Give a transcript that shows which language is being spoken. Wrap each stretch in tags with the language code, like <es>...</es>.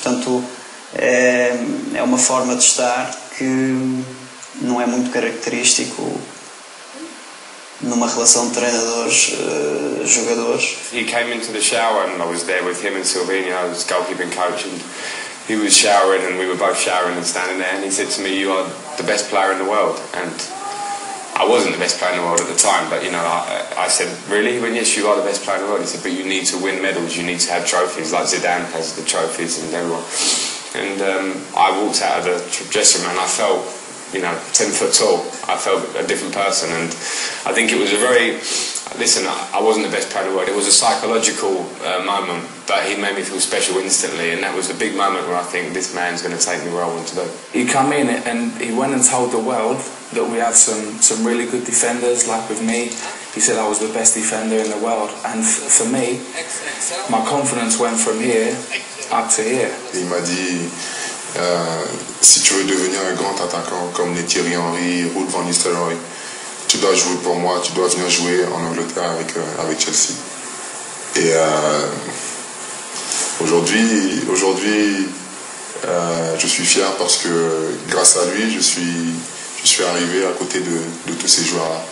<pt>Portanto, é uma forma de estar que não é muito característico numa relação de treinadores-jogadores.</pt> <en>He came into the shower and I was there with him and Silvinho, I was goalkeeping coach, and he was showering and we were both showering and standing there, and he said to me, "You are the best player in the world." And I wasn't the best player in the world at the time, but you know, I said, "Really?" He went, "Yes, you are the best player in the world." He said, "But you need to win medals, you need to have trophies, like Zidane has the trophies and everyone." And I walked out of the dressing room and I felt, you know, 10 foot tall. I felt a different person, and I think it was a very, listen, I wasn't the best player in the world. It was a psychological moment, but he made me feel special instantly, and that was a big moment where I think this man's going to take me where I want to go. He came in and he went and told the world that we had some really good defenders, like with me. He said I was the best defender in the world, and for me, my confidence went from here up to here.</en> <fr>He m'a dit, si tu veux devenir un grand attaquant comme les Thierry Henry, Ruud van Nistelrooy, tu dois jouer pour moi, tu dois venir jouer en Angleterre avec Chelsea. Et aujourd'hui, je suis fier parce que grâce à lui, je suis arrivé à côté de tous ces joueurs-là.</fr>